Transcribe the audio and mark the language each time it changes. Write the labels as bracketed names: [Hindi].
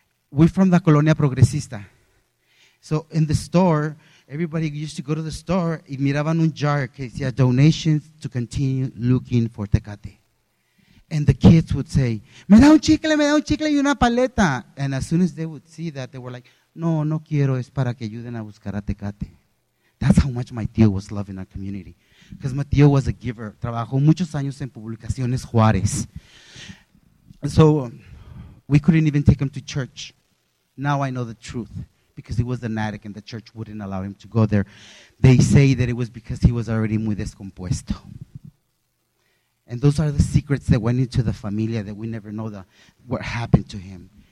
[English] We're from the Colonia Progresista. So in the store, everybody used to go to the store [Spanish] y miraban un jar que decía [English] donations to continue looking for Tecate. And the kids would say, [Spanish] me da un chicle y una paleta. [English] And as soon as they would see that, they were like, [Spanish] no, no quiero, es para que ayuden a buscar a Tecate. [English] That's how much my tío was loving our community. Because my tío was a giver. [Spanish] Trabajó muchos años en Publicaciones Juárez. [English] And so we couldn't even take him to church. Now I know the truth. Because he was an addict and the church wouldn't allow him to go there. They say that it was because he was already [Spanish] muy descompuesto. [English] And those are the secrets that went into the familia that we never know what happened to him.